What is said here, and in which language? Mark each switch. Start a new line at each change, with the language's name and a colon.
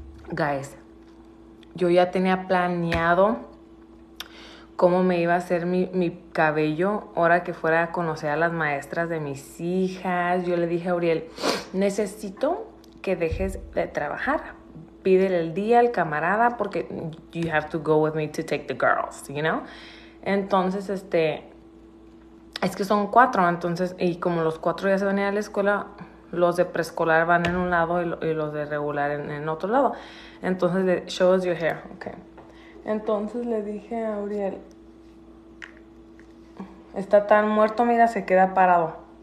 Spanish: Guys, yo ya tenía planeado cómo me iba a hacer mi cabello ahora que fuera a conocer a las maestras de mis hijas. Yo le dije a Uriel, necesito que dejes de trabajar. Pídele el día al camarada porque
English: you have to go with me to take the girls, you know?
Spanish: Entonces, es que son cuatro, entonces, y como los cuatro ya se van a ir a la escuela, los de preescolar van en un lado y los de regular en otro lado. Entonces,
English: show us your hair, ok.
Spanish: Entonces le dije a Uriel, está tan muerto, mira, se queda parado.